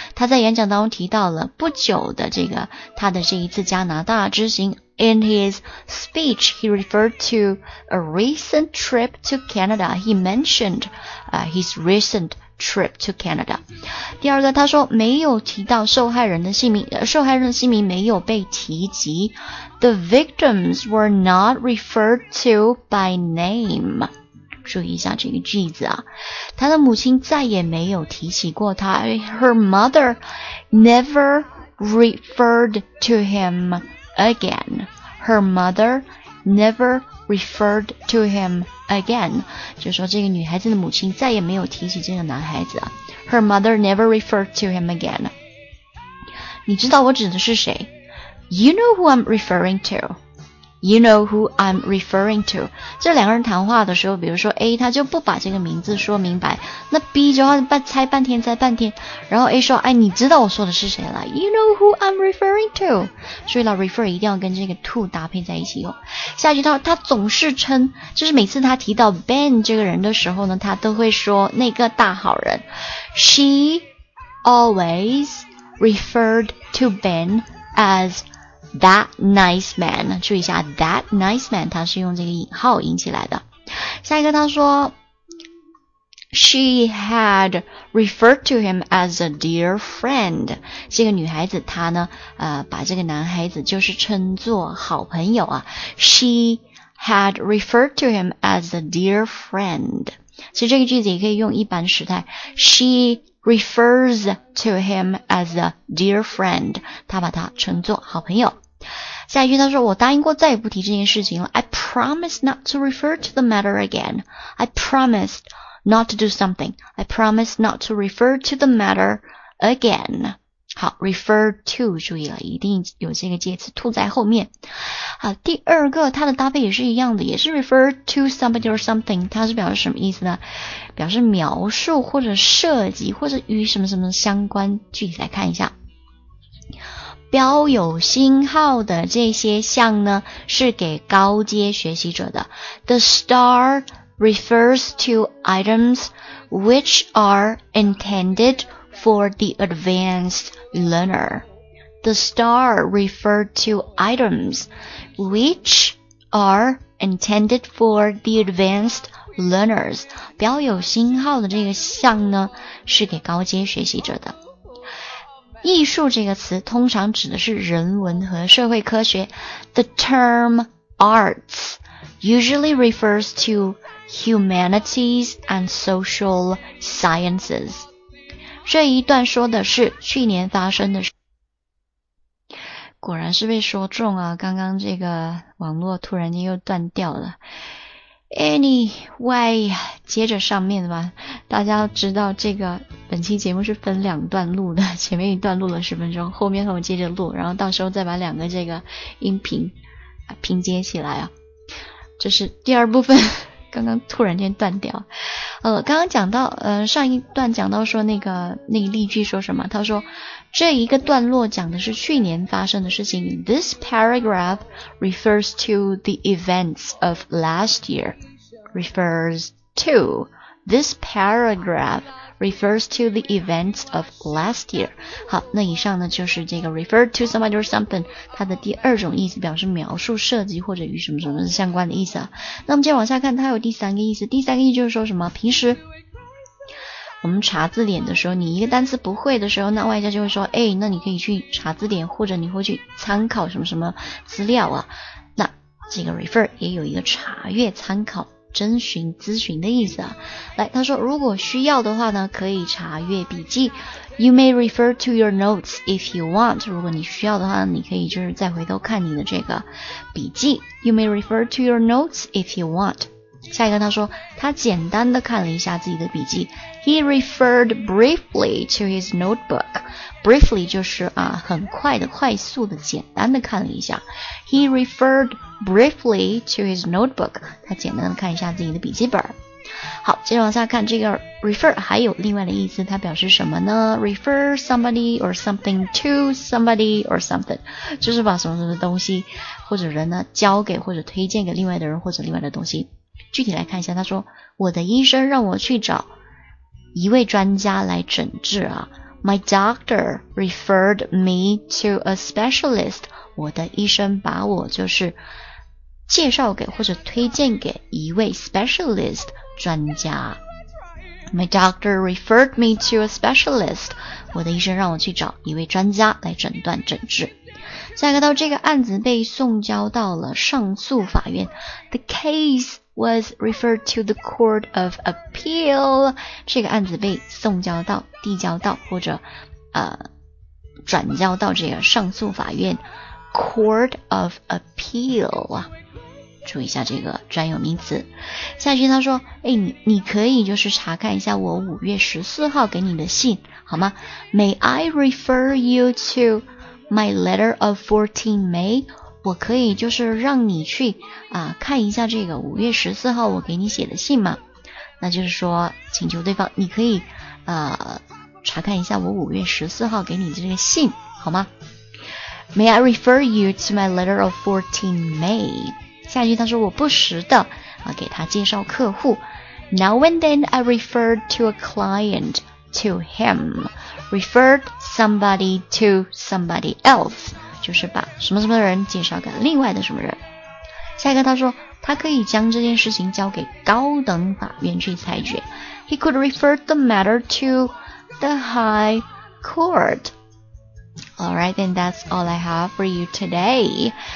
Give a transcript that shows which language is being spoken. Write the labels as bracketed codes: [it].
[zh] 他在演讲当中提到了不久的这个他的这一次加拿大之行。 [en] In his speech, he referred to a recent trip to Canada. He mentioned, his recent trip to Canada. [zh] 第二个，他说没有提到受害人的姓名，受害人的姓名没有被提及。 [en] The victims were not referred to by name. [zh] 注意一下这个句子啊，他的母亲再也没有提起过他。 [en] Her mother never referred to him. Again, her mother never referred to him again. [zh] 就说这个女孩子的母亲再也没有提起这个男孩子。 [en] Her mother never referred to him again. [zh] 你知道我指的是谁？ [en] You know who I'm referring to. You know who I'm referring to. [zh] 这两个人谈话的时候，比如说 A 他就不把这个名字说明白，那 B 就要猜半天，然后 A 说，哎，你知道我说的是谁了？ [en] You know who I'm referring to. [zh] 所以了 refer 一定要跟这个 to 搭配在一起用。下一句他总是称，就是每次他提到 Ben 这个人的时候呢，他都会说那个大好人。 [en] She always referred to Ben as that nice man. [zh] 注意一下 [en] that nice man, [zh] 他是用这个引号引起来的。下一个他说 [en] She had referred to him as a dear friend. [zh] 这个女孩子她呢把这个男孩子就是称作好朋友啊。 [en] She had referred to him as a dear friend. [zh] 其实这个句子也可以用一般时态。 [en] She refers to him as a dear friend. [zh] 她把他称作好朋友。下一句他说我答应过再也不提这件事情了。 [en] I promise not to refer to the matter again. I promised. Not to do something. I promise not to refer to the matter again. [zh] 好 ,refer to, 注意了一定有这个介词 to 在后面。好，第二个它的搭配也是一样的，也是 [en] refer to somebody or something. [zh] 它是表示什么意思呢？表示描述或者涉及或者与什么什么相关，具体来看一下。标有星号的这些项呢是给高阶学习者的。 [en] The star,refers to items which are intended for the advanced learner. The star referred to items which are intended for the advanced learners. [zh] 表有星号的这个像呢是给高阶学习者的。艺术这个词通常指的是人文和社会科学。 [en] The term arts usually refers to humanities and social sciences. [zh] 这一段说的是去年发生的事。果然是被说中啊，刚刚这个网络突然间又断掉了。 Anyway, 接着上面吧，大家知道这个本期节目是分两段录的，前面一段录了十分钟，后面和我接着录，然后到时候再把两个这个音频拼接起来啊。这是第二部分，刚刚突然间断掉。刚刚讲到上一段讲到说那个例句说什么，他说这一个段落讲的是去年发生的事情。 [en] This paragraph refers to the events of last year. Refers to. This paragraph refers to the events of last year. [zh] 好，那以上呢就是这个 [en] refer to somebody or something [zh] 它的第二种意思，表示描述、涉及或者与什么什么相关的意思啊。那我们接着往下看，它有第三个意思。第三个意思就是说什么，平时我们查字典的时候，你一个单词不会的时候，那外教就会说，哎，那你可以去查字典，或者你会去参考什么什么资料啊。那这个 refer 也有一个查阅、参考、征询、咨询的意思啊。来，他说如果需要的话呢，可以查阅笔记。 [en] You may refer to your notes if you want. [zh] 如果你需要的话，你可以就是再回头看你的这个笔记。 [en] You may refer to your notes if you want. [zh] 下一个他说他简单的看了一下自己的笔记。 [en] He referred briefly to his notebook. Briefly [zh] 就是啊很快的、快速的、简单的看了一下。 [en] He referredbriefly to his notebook, [zh] 他简单的看一下自己的笔记本。好，接着往下看，这个 refer 还有另外的意思，它表示什么呢？ [en] refer somebody or something [zh] to somebody or something, 就是把什么什么东西或者人呢交给或者推荐给另外的人或者另外的东西。具体来看一下，他说我的医生让我去找一位专家来诊治啊。 [en] My doctor referred me to a specialist. [zh] 我的医生把我就是介绍给或者推荐给一位 specialist 专家。 [en] My doctor referred me to a specialist. [zh] 我的医生让我去找一位专家来诊断诊治。下一个，到这个案子被送交到了上诉法院。 [en] The case was referred to the Court of Appeal. [zh] 这个案子被送交到、递交到或者转交到这个上诉法院。 [en] Court of Appeal. [zh] 注意一下这个专有名词。下一句他说，哎，你可以就是查看一下我5月14号给你的信，好吗？ [en] May I refer you to... My letter of 14 May, [zh] 我可以就是让你去看一下这个5月14号我给你写的信吗？那就是说请求对方，你可以查看一下我5月14号给你的这个信，好吗？ [en] May I refer you to my letter of 14 May? [zh] 下一句他说我不时的给他介绍客户。 [en] Now and then I referred to a client to him. Referred somebody to somebody else, [zh] 就是把什么什么人介绍给另外的什么人。下一个他说他可以将这件事情交给高等法院去裁决。 [en] He could refer the matter to the high court. Alright, then that's all I have for you today.